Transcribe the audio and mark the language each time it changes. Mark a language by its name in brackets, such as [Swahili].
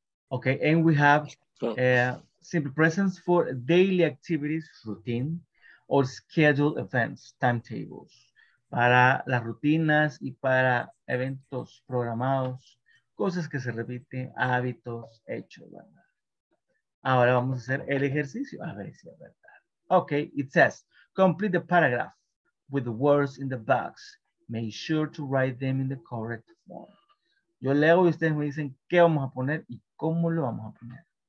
[English] Ok, and we have simple presence for daily activities, routine, or scheduled events, timetables. [Spanish] Para las rutinas y para eventos programados, cosas que se repiten, hábitos, hechos, ¿verdad? Ahora vamos a hacer el ejercicio. A ver si es verdad. [English] Ok, it says, complete the paragraph with the words in the box. Make sure to write them in the correct form. [Spanish] Yo leo y ustedes me dicen qué vamos a poner y cómo lo vamos a poner.